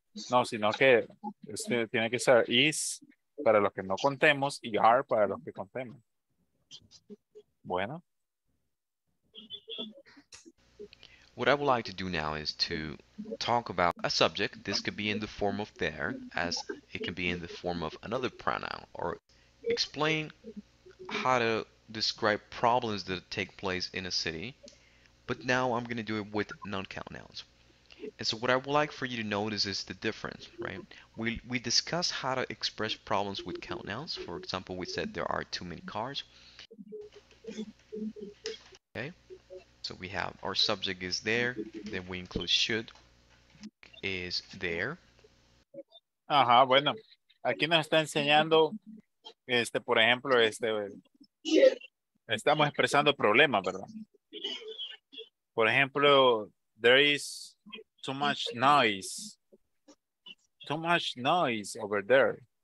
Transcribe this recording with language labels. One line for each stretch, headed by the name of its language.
Spanish: No, sino que tiene que ser is para los que no contemos y are para los que contemos. Bueno.
English: What I would like to do now is to talk about a subject. This could be in the form of there, as it can be in the form of another pronoun, or explain how to describe problems that take place in a city. But now I'm going to do it with non-count nouns. And so what I would like for you to notice is the difference, right? We discussed how to express problems with count nouns. For example, we said there are too many cars. Okay. So we have our subject is there, then we include should, is there.
Spanish: Ajá, bueno, aquí nos está enseñando, por ejemplo, estamos expresando problemas, ¿verdad? Por ejemplo,
English: there is too much noise over there.